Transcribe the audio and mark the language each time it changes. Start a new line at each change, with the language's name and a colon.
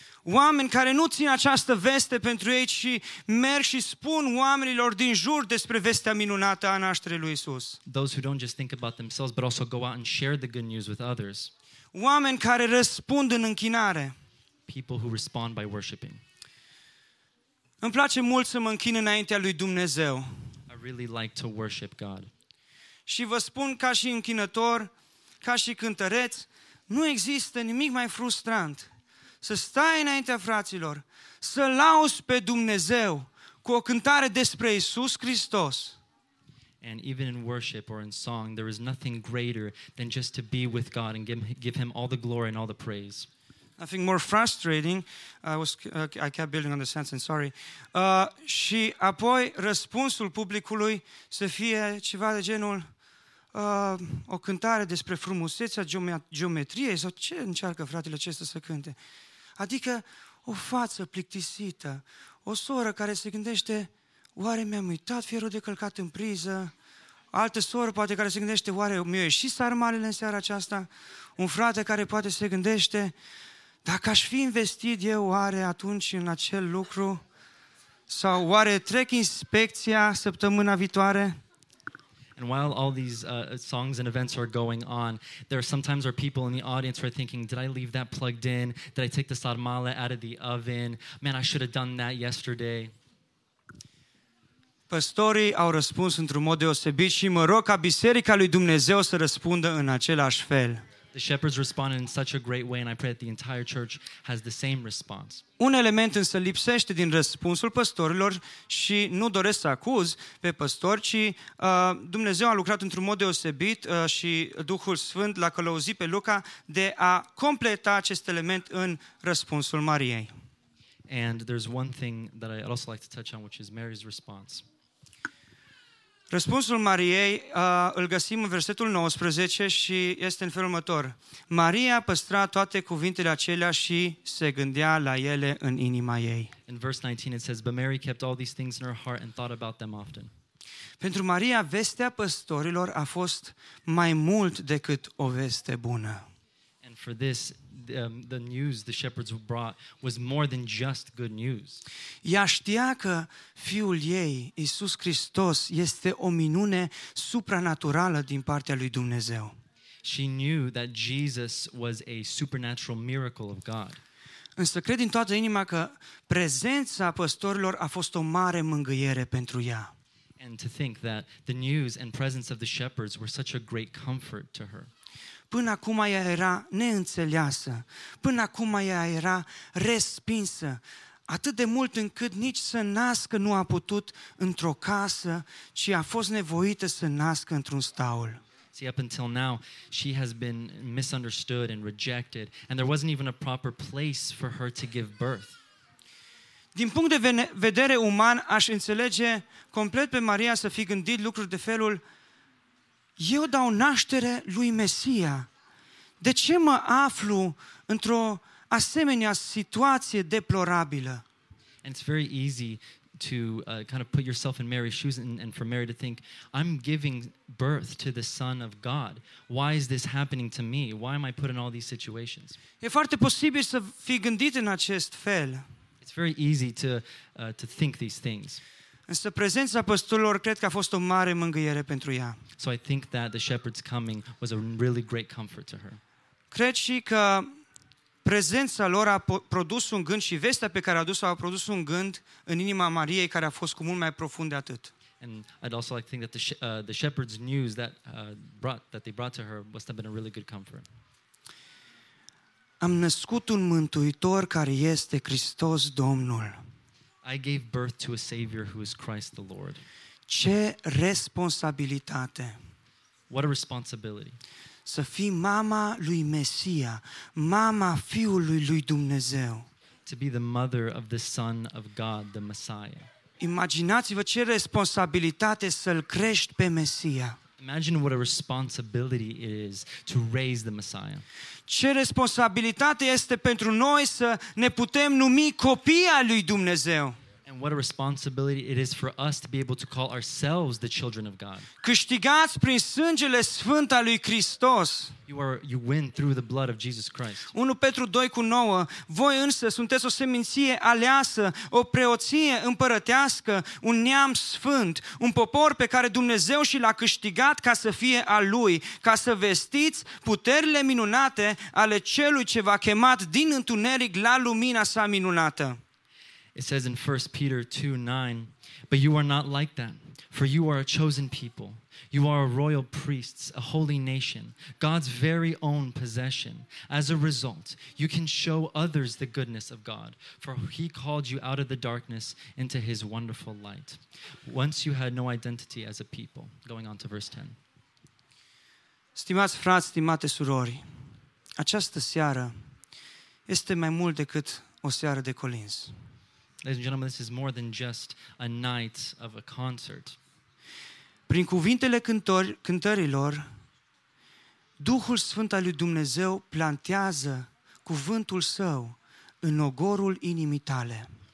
Romanian: Oameni care nu țin această veste pentru ei, ci merg și spun oamenilor din jur despre vestea minunată a nașterii lui Iisus.
English: Those who don't just think about themselves, but also go out and share the good news with others.
Romanian: Oameni care răspund în închinare.
English: People who respond by worshiping.
Romanian: Îmi place mult să mă închin înaintea lui Dumnezeu.
English: I really like to worship God.
Romanian: Și vă spun ca și închinător, ca și cântăreț, nu există nimic mai frustrant. Să stai înaintea fraților, să lauzi pe Dumnezeu cu o cântare despre Iisus Hristos.
English: And even in worship or in song, there is nothing greater than just to be with God and give him all the glory and all the praise. Nothing more frustrating. I kept building on the sentence, sorry.
Romanian: Și apoi răspunsul publicului să fie ceva de genul o cântare despre frumusețea geometriei sau ce încearcă fratele acesta să cânte. Adică o față plictisită, o soră care se gândește, oare mi-am uitat fierul de călcat în priză? Altă soră poate care se gândește, oare mi-au ieșit sarmalele în seara aceasta? Un frate care poate se gândește, dacă aș fi investit eu oare atunci în acel lucru? Sau oare trec inspecția săptămâna viitoare?
English: And while all these songs and events are going on, there sometimes are people in the audience who are thinking, did I leave that plugged in? Did I take the sarmale out of the oven? Man, I should have done that yesterday.
Romanian: Păstorii au răspuns într-un mod deosebit și mă rog ca Biserica lui Dumnezeu să răspundă în același fel.
English: The shepherds responded in such a great way, and I pray that the entire church has the same response.
Romanian: Un element însă lipsește din răspunsul păstorilor și nu doresc să acuz pe păstori, ci Dumnezeu a lucrat într-un mod deosebit și Duhul Sfânt l-a călăuzit pe Luca de a completa acest element în răspunsul Mariei.
English: And there's one thing that I'd also like to touch on, which is Mary's response.
Romanian: Răspunsul Mariei îl găsim în versetul 19 și este în felul următor. Maria păstra toate cuvintele acelea și se gândea la ele în inima ei.
English: In verse 19 it says, but Mary kept all these things in her heart and thought about them often.
Romanian: Pentru Maria, vestea păstorilor a fost mai mult decât o veste bună.
English: And for this, the news the shepherds brought was more than just good news.
Romanian: Ea știa că fiul ei, Iisus Hristos, este o minune supranaturală din partea lui Dumnezeu.
English: She knew that Jesus was a supernatural miracle of God.
Romanian: Însă cred din toată inima că prezența păstorilor a fost o mare mângâiere pentru ea.
English: And to think that the news and presence of the shepherds were such a great comfort to her.
Romanian: Până acum ea era neînțeleasă, până acum ea era respinsă, atât de mult încât nici să nască nu a putut într-o casă, ci a fost nevoită să nască într-un staul.
English: See, up until now, she has been misunderstood and rejected, and there wasn't even a proper place for her to give birth.
Romanian: Din punct de vedere uman, aș înțelege complet pe Maria să fi gândit lucruri de felul eu dau naștere lui Mesia. De ce mă aflu într-o asemenea situație deplorabilă?
English: And it's very easy to kind of put yourself in Mary's shoes and for Mary to think, I'm giving birth to the Son of God. Why is this happening to me? Why am I put in all these situations?
Romanian: E foarte posibil să fii gândit în acest fel.
English: It's very easy to think these things.
Romanian: Însă prezența păstorilor cred că a fost o mare mângâiere pentru ea.
English: So I think that the shepherd's coming was a really great comfort to her.
Romanian: Cred și că prezența lor a produs un gând și vestea pe care a adus-o a produs un gând în inima Mariei care a fost cu mult mai profund de atât.
English: And I'd also like to think that the shepherd's news that they brought to her must have been a really good comfort.
Romanian: Am născut un mântuitor care este Hristos Domnul.
English: I gave birth to a savior who is Christ the Lord.
Romanian: Ce responsabilitate.
English: What a responsibility.
Romanian: Să fii mama lui Mesia, mama fiului lui Dumnezeu.
English: To be the mother of the son of God, the Messiah.
Romanian: Imaginați-vă ce responsabilitate să-l crești pe Mesia.
English: Imagine what a responsibility it is to raise the Messiah.
Romanian: Ce responsabilitate este pentru noi să ne putem numi copii al lui Dumnezeu.
English: And what a responsibility it is for us to be able to call ourselves the children of God.
Romanian: Câștigați prin sângele sfânt al lui Hristos.
English: You win through the blood of Jesus Christ.
Romanian: 1 Petru 2:9. Voi însă sunteți o seminție aleasă, o preoție împărătească, un neam sfânt, un popor pe care Dumnezeu și l-a câștigat ca să fie al lui, ca să vestiți puterile minunate ale celui ce v-a chemat din întuneric la lumina sa minunată.
English: It says in 1 Peter 2:9, but you are not like that, for you are a chosen people. You are a royal priest, a holy nation, God's very own possession. As a result, you can show others the goodness of God, for he called you out of the darkness into his wonderful light. Once you had no identity as a people. Going on to verse 10.
Romanian: Stimați frați, stimate surori, această seară este mai mult decât o seară de colins.
English: Ladies and gentlemen, this is more than just a night of a concert.
Romanian: Prin cuvintele cântărilor, Duhul Sfânt al lui Dumnezeu plantează cuvântul său în ogorul inimii tale.